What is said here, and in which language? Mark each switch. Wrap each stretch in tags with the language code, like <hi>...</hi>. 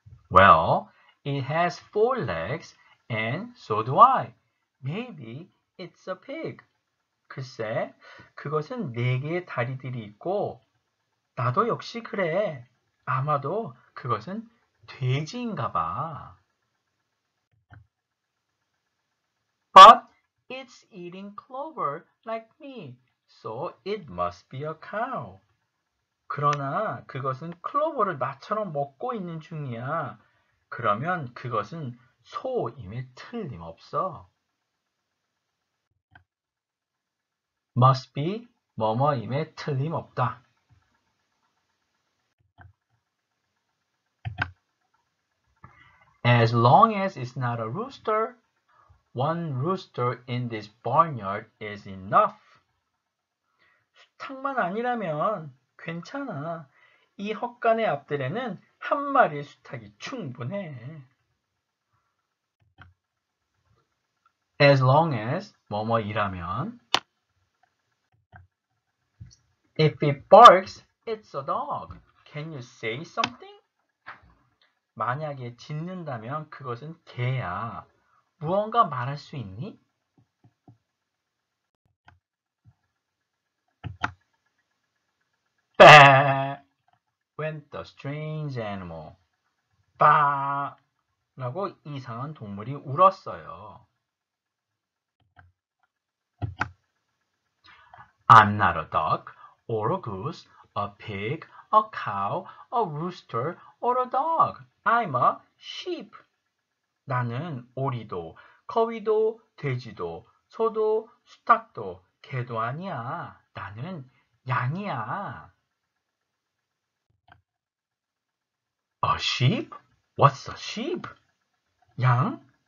<en>Well, it has four legs and so do I. Maybe it's a pig.</en> <ko>글쎄, 그것은 네 개의 다리들이 있고, 나도 역시 그래. 아마도 그것은 돼지인가 봐.</ko> <en>But it's eating clover like me, so it must be a cow.</en> <ko>그러나 그것은 클로버를 나처럼 먹고 있는 중이야. 그러면 그것은 소임에 틀림없어.</ko> <en>Must be,</en> <ko>뭐뭐임에 틀림없다.</ko> <en>As long as it's not a rooster, one rooster in this barnyard is enough.</en> <ko>수탉만 아니라면 괜찮아. 이 헛간의 앞뜰에는 한 마리의 수탉이 충분해.</ko> <en>As long as,</en> <ko>뭐뭐이라면.</ko> <en>If it barks, it's a dog. Can you say something?</en> <ko>만약에 짖는다면 그것은 개야. 무언가 말할 수 있니?</ko> <en>빠! Went the strange animal. 빠!</en> <ko>라고 이상한 동물이 울었어요.</ko> <en>I'm not a duck, or a goose, a pig, a cow, a rooster, or a dog. I'm a sheep.</en> <ko>나는 오리도, 거위도, 돼지도, 소도, 수탉도, 개도 아니야. 나는 양이야.</ko> <en>A sheep? What's a sheep? 양?</en>